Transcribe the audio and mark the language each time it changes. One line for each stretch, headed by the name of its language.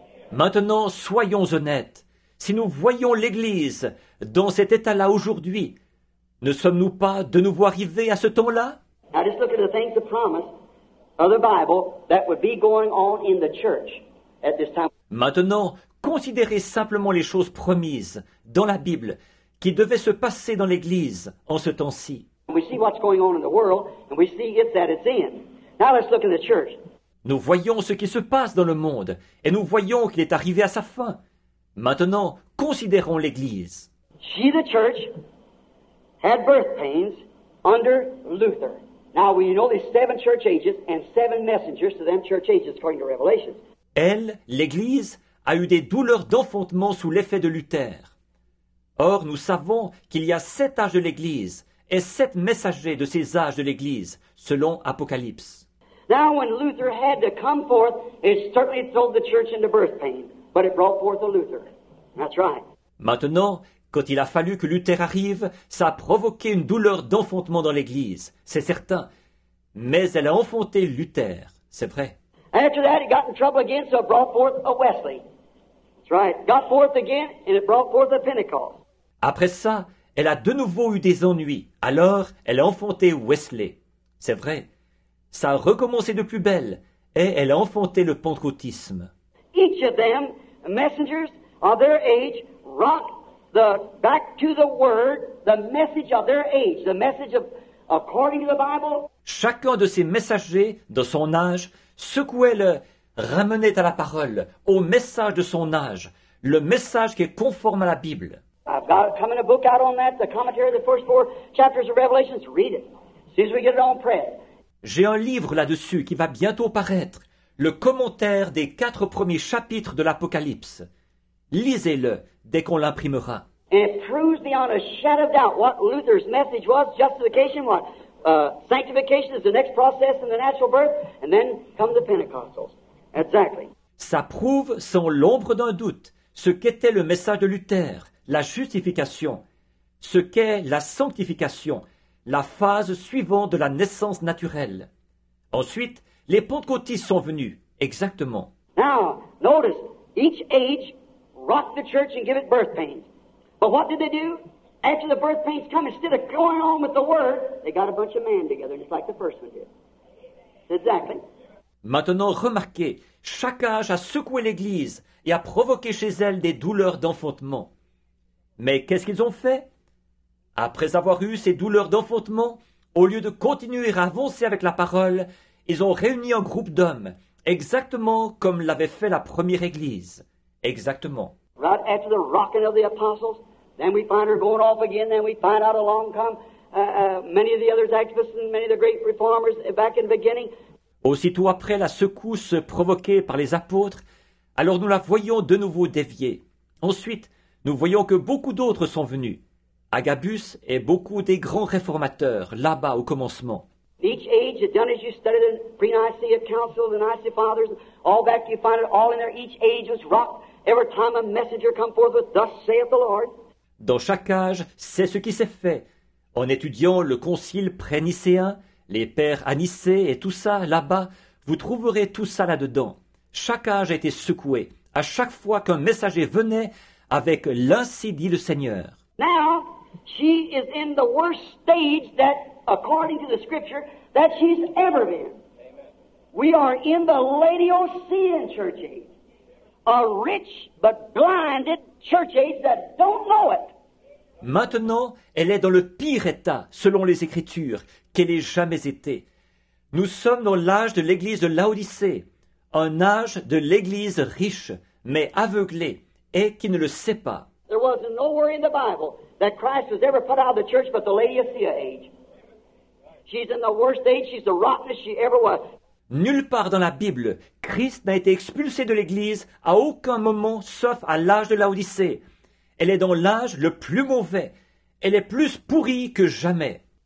French: Maintenant, soyons honnêtes. Si nous voyons l'église dans cet état-là aujourd'hui, ne sommes-nous pas de nouveau arrivés à ce temps-là?
English: Now just look at the things of promise. Other Bible that would be going on in the church at this time.
French: Maintenant, considérez simplement les choses promises dans la Bible qui devaient se passer dans l'Église en ce temps-ci.
English: We see what's going on in the world, and we see it's at its end. Now let's look in the church.
French: Nous voyons ce qui se passe dans le monde, et nous voyons qu'il est arrivé à sa fin. Maintenant, considérons l'Église.
English: She, the church, had birth pains under Luther. Now we know there's seven church ages and seven messengers to them church ages according to Revelation.
French: Elle, l'Église, a eu des douleurs d'enfantement sous l'effet de Luther. Or, nous savons qu'il y a sept âges de l'Église et sept messagers de ces âges de l'Église, selon Apocalypse.
English: Now when Luther had to come forth, it certainly threw the church into birth pain, but it brought forth a Luther. That's right.
French: Maintenant, quand il a fallu que Luther arrive, ça a provoqué une douleur d'enfantement dans l'Église, c'est certain. Mais elle a enfanté Luther, c'est vrai.
English: After that, it got in trouble again, so it brought forth a Wesley. That's right. Got forth again, and it brought forth a Pentecost.
French: Après ça, elle a de nouveau eu des ennuis. Alors, elle a enfanté Wesley. C'est vrai. Ça a recommencé de plus belle, et elle a enfanté le pentecôtisme.
English: Each of them, messengers of their age, rock. The back to the word, the message of their age, the message of according to the Bible.
French: Chacun de ces messagers de son âge secouait le ramenait à la parole, au message de son âge, le message qui est conforme à la Bible.
English: I've got coming a book out on that, the commentary of the first four chapters of Revelation. Read it. As soon as we get it on press.
French: J'ai un livre là-dessus qui va bientôt paraître, le commentaire des quatre premiers chapitres de l'Apocalypse. Lisez-le dès qu'on l'imprimera.
English: And it proves beyond a shadow of doubt what Luther's message was, justification, what sanctification is the next process in the natural birth, and then come the Pentecostals. Exactly.
French: Ça prouve sans l'ombre d'un doute ce qu'était le message de Luther, la justification, ce qu'est la sanctification, la phase suivante de la naissance naturelle. Ensuite, les pentecôtistes sont venus, exactement.
English: Now, notice, each age rock the church and give it birth pains. But what did they do? After the birth pains come, instead of going on with the word, they got a bunch of men together, just like the first one did. Exactly.
French: Maintenant, remarquez, chaque âge a secoué l'Église et a provoqué chez elle des douleurs d'enfantement. Mais qu'est-ce qu'ils ont fait? Après avoir eu ces douleurs d'enfantement, au lieu de continuer à avancer avec la parole, ils ont réuni un groupe d'hommes, exactement comme l'avait fait la première Église. Exactement.
English: Right after the rocking of the apostles, then we find her going off again, then we find out along come many of the other activists and many of the great reformers back in the beginning.
French: Aussitôt après la secousse provoquée par les apôtres, alors nous la voyons de nouveau déviée. Ensuite, nous voyons que beaucoup d'autres sont venus. Agabus et beaucoup des grands réformateurs là-bas au commencement.
English: Each age had done as you studied the pre-Nicene Council, the Nicene Fathers, all back you find it all in there. Each age was rocked. Every time a messenger come forth with, thus saith the Lord.
French: Dans chaque âge, c'est ce qui s'est fait. En étudiant le concile prénicéen, les pères anicées et tout ça, là-bas, vous trouverez tout ça là-dedans. Chaque âge a été secoué, à chaque fois qu'un messager venait avec l'ainsi dit le Seigneur.
English: Now, she is in the worst stage that, according to the scripture, that she's ever been. We are in the Laodicean church age. A rich but blinded church age that don't know it.
French: Maintenant, elle est dans le pire état, selon les Écritures, qu'elle ait jamais été. Nous sommes dans l'âge de l'église de Laodicée, un âge de l'église riche, mais aveuglée, et qui ne le sait pas.
English: There was nowhere in the Bible that Christ was ever put out of the church but the Laodicea age. She's in the worst age, she's the rottenest she ever was.
French: Nulle part dans la Bible, Christ n'a été expulsé de l'église à aucun moment, sauf à l'âge de Laodicée. Elle est dans l'âge le plus mauvais. Elle est plus pourrie que jamais.